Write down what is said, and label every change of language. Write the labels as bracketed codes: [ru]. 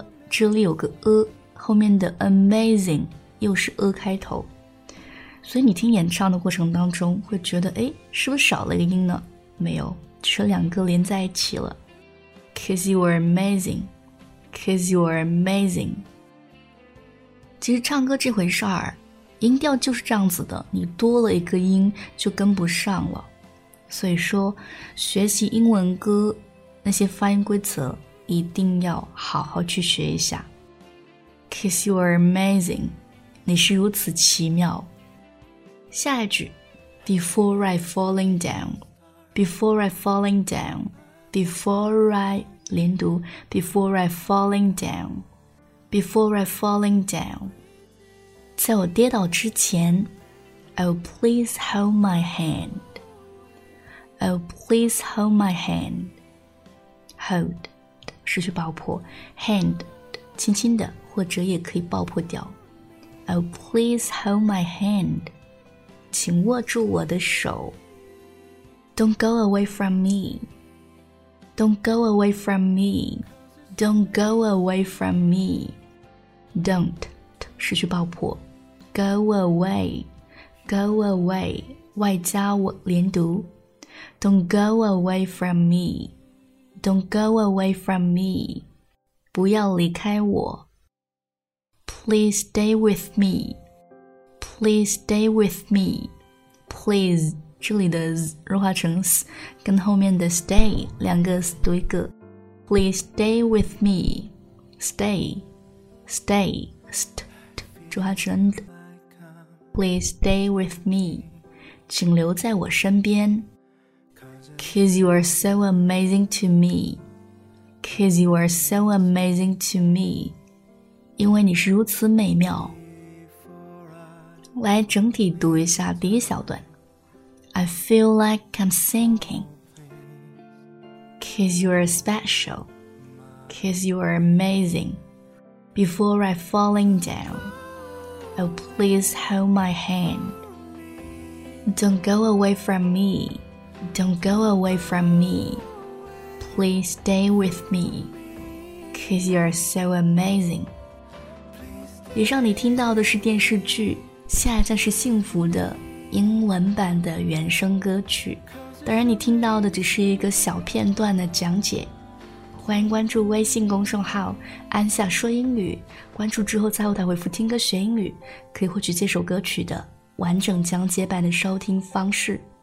[zh] 这里有个a，后面的amazing又是a开头，所以你听演唱的过程当中会觉得，哎，是不是少了一个音呢？没有，是两个连在一起了。 [en] Cause you are amazing, cause you are amazing。 [zh] 其实唱歌这回事儿，音调就是这样子的，你多了一个音就跟不上了。所以说学习英文歌那些发音规则一定要好好去学一下。 [en] Cause you are amazing [zh] 你是如此奇妙。下一句 [en] Before I falling down Before I falling down Before I [zh] 连读 [en] Before I falling down Before I falling down [zh] 在我跌倒之前 [en] I'll please hold my handOh, please hold my hand. [zh] Hold 失去爆破 Hand 轻轻的或者也可以爆破掉 [en] Oh, please hold my hand. [zh] 请握住我的手 [en] Don't go away from me. Don't go away from me. Don't go away from me. Don't [zh] 失去爆破 [en] Go away. Go away. [zh] 外加我连读 [en] Don't go away from me. Don't go away from me. [zh] 不要离开我。 [en] Please stay with me. Please stay with me. [zh] Please 这里的 z 弱化成 s 跟后面的 stay 两个 s 读一个。 [en] Please stay with me. Stay. Stay. St [zh] 弱化成 [en] d. Please stay with me. [zh] 请留在我身边。 [en] Cause you are so amazing to me. Cause you are so amazing to me. [zh] 因为你是如此美妙。来整体读一下第一小段。 [en] I feel like I'm sinking. Cause you are special. Cause you are amazing. Before I falling down, oh please hold my hand. Don't go away from me, don't go away from me. Please stay with me, cause you're so amazing. [zh] 以上你听到的是电视剧下一站是幸福的英文版的原声歌曲，当然你听到的只是一个小片段的讲解。欢迎关注微信公众号安夏说英语，关注之后在后台回复听歌学英语，可以获取这首歌曲的完整讲解版的收听方式。